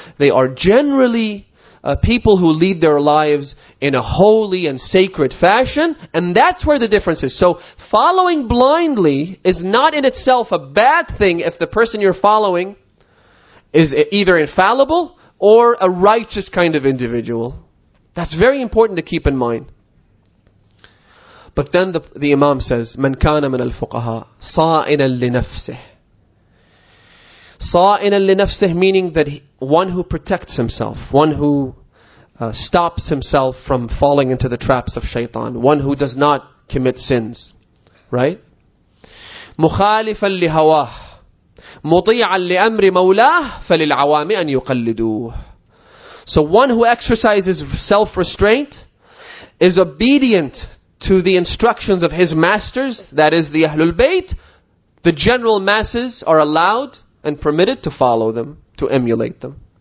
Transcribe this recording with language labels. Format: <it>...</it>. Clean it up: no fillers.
<en>They are generally people who lead their lives in a holy and sacred fashion. And that's where the difference is. So following blindly is not in itself a bad thing if the person you're following is either infallible or a righteous kind of individual. That's very important to keep in mind. But then the Imam says,</en> <ar>مَنْ كَانَ مِنَ الْفُقَهَاء صَائِنًا لِنَفْسِهِ. صَائِنًا لِنَفْسِهِ</ar> <en>meaning that one who protects himself, one who stops himself from falling into the traps of shaitan, one who does not commit sins. Right?</en> <ar>مُخَالِفًا لِهَوَاهِ مُطِيعًا لِأَمْرِ مَوْلَاهِ فَلِلْعَوَامِ أَنْ يُقَلِّدُوهِ.</ar> <en>So one who exercises self-restraint is obedient to the instructions of his masters, that is the Ahlul Bayt, the general masses are allowed and permitted to follow them, to emulate them.</en>